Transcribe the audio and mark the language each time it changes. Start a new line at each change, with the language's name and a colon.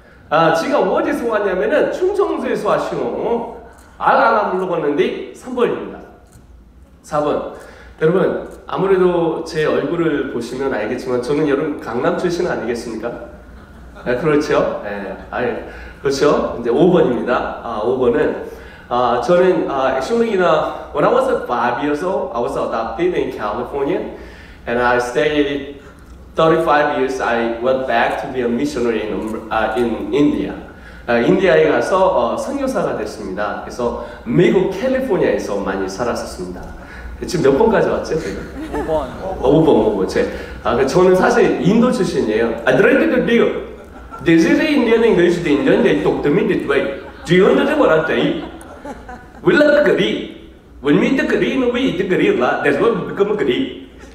Korean: 아, 지가 어디서 왔냐면은 충청도에서 왔슈. 알라라 불러봤는데 3번입니다. 4번. 여러분, 아무래도 제 얼굴을 보시면 알겠지만 저는 여러분 강남 출신 아니겠습니까? 네, 그렇죠? 예. 네, 아예. 그렇죠? 이제 5번입니다. 아, 5번은 저는
English: actually, when I was 5 years old, I was adopted in California, and I stayed 35 years. I went back to be a missionary in India.
Korean: 인디아에 가서 선교사가 됐습니다. 그래서 미국 캘리포니아에서 많이 살았었습니다. 지금 몇 번까지 왔죠? 5번. 5번. 저는 사실 인도 출신이에요.
English: I drink the beer. This is Indian English. The Indian, they talk to me this way. Do you understand what I say? We like green. When we eat green, we eat green a lot. That's why we become green.